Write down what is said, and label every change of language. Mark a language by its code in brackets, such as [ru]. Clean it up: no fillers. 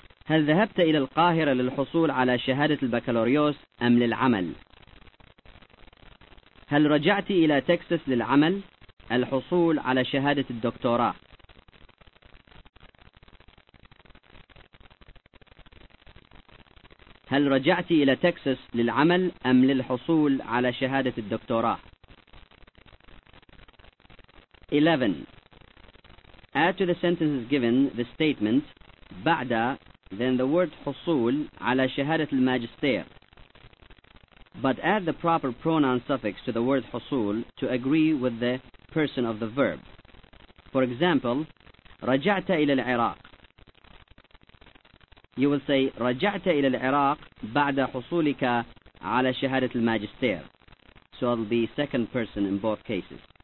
[ar] هل ذهبت إلى القاهرة للحصول على شهادة البكالوريوس أم للعمل؟ هل رجعت إلى تكساس للعمل؟ الحصول على شهادة الدكتوراه. هل رجعت إلى تكساس للعمل أم للحصول على شهادة الدكتوراه؟ 11. [en] Add to the sentences given the statement بعد then the word [ar] حصول على شهادة الماجستير. [en] But add the proper pronoun suffix to the word حصول to agree with the person of the verb. For example, [ar] رجعت إلى العراق. [en] You will say [ar] رجعت إلى العراق بعد حصولك على شهادة الماجستير. [en] So it'll be second person in both cases.